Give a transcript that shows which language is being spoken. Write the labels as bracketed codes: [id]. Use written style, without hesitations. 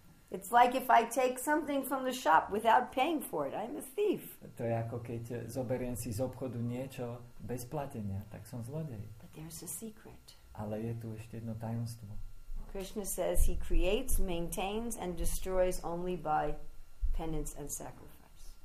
[en] It's like if I take something from the shop without paying for it, I'm a thief. [sk] To je ako keď zoberiem si z obchodu niečo bez platenia, tak som zlodej. [en] But there's a secret. [sk] Ale je tu ešte jedno tajomstvo. [en] Krishna says he creates, maintains and destroys only by penance and sacrifice.